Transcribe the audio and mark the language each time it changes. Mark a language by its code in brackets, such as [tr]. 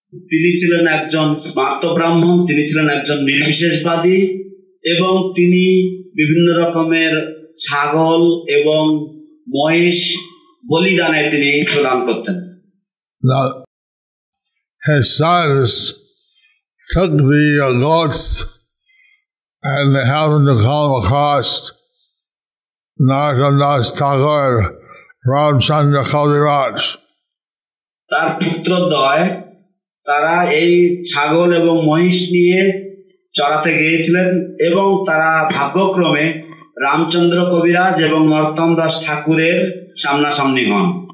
[bn] তিনি ছিলেন একজন স্মার্ত ব্রাহ্মণ, তিনি ছিলেন একজন নির্বিশেষবাদী এবং তিনি বিভিন্ন রকমের ছাগল এবং মহিষ বলিদানে তিনি প্রদান করতেন. [en] His sons took the goats and they happened to come across Narottam Thakur, Ramchandra Kaviraj. [bn] তার পুত্রদ্বয় তারা এই ছাগল এবং মহিষ নিয়ে চড়াতে গিয়েছিলেন এবং তারা ভাগ্যক্রমে রামচন্দ্র কবিরাজ এবং নরোত্তম দাস ঠাকুরের সামনাসামনি হন.